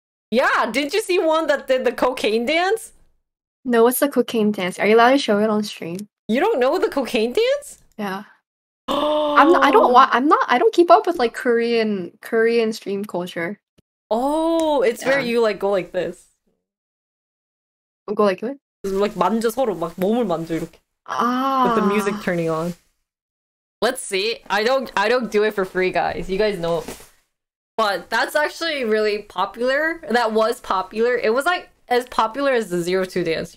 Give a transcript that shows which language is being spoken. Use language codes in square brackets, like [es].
[en] Yeah, didn't you see one that did the cocaine dance? No, what's the cocaine dance? Are you allowed to show it on stream? You don't know the cocaine dance? Yeah. I don't keep up with like Korean stream culture. Oh, it's where you like go like this. Go like what? Like [ko] 만져 서로 막 몸을 만져 이렇게. Ah. [en] With the music turning on. Let's see. I don't do it for free, guys. You guys know. But that's actually really popular. That was popular. It was like as popular as the 02 dance.